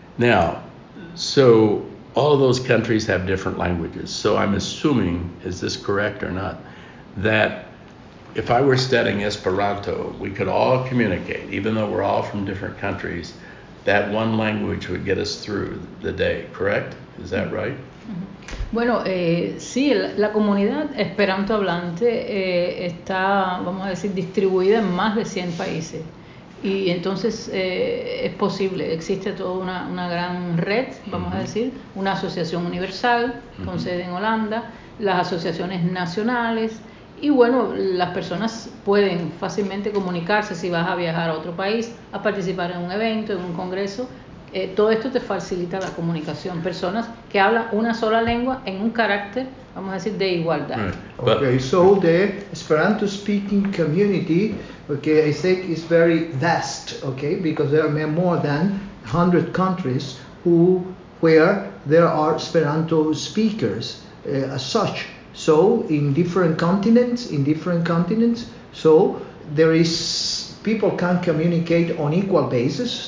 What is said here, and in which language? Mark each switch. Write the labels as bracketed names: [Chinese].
[English] Now, so all of those countries have different languages. So I'm assuming, is this correct or not, that if I were studying Esperanto, we could all communicate, even though we're all from different countries, that one language would get us through the day, correct? Is that right? [Spanish] Bueno, sí, la comunidad Esperanto hablante está, vamos a decir, distribuida en más de 100 países. Y entonces es posible, existe toda una gran red, vamos uh-huh. a decir, una asociación universal con uh-huh. sede en Holanda, las asociaciones nacionales, y bueno, las personas pueden fácilmente comunicarse si vas a viajar a otro país, a participar en un evento, en un congreso, todo esto te facilita la comunicación. Personas que hablan una sola lengua en un carácter, vamos a decir, de igualdad. [English] Okay, so the Esperanto speaking community, okay, I think it's very vast, okay, because there are more than 100 countries where there are Esperanto speakers as such. So in different continents, so there is, people can communicate on equal basis.